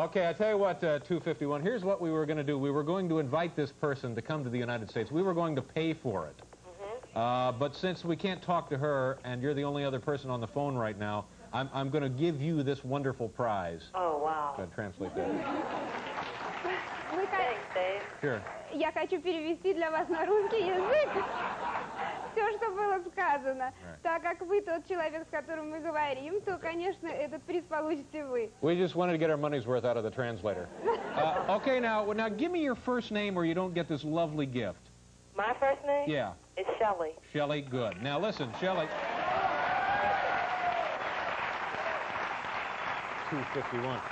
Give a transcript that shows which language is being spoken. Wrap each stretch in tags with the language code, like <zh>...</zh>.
<en>Okay, I tell you what, 251, here's what we were going to do. We were going to invite this person to come to the United States. We were going to pay for it. Mm-hmm. But since we can't talk to her and you're the only other person on the phone right now, I'm going to give you this wonderful prize. Oh, wow. Go ahead, translate that. Thanks, Dave. Sure.</en> <ru>Я хочу перевести для вас на русский язык все, что было сказано.</ru> <en>Right.</en> <ru>Так как вы тот человек, с которым мы говорим, то, конечно, этот приз получите вы.</ru> <en>We just wanted to get our money's worth out of the translator. Okay, now give me your first name or you don't get this lovely gift. My first name? Yeah. It's Shelley. Shelley, good. Now listen, Shelley. 251.</en>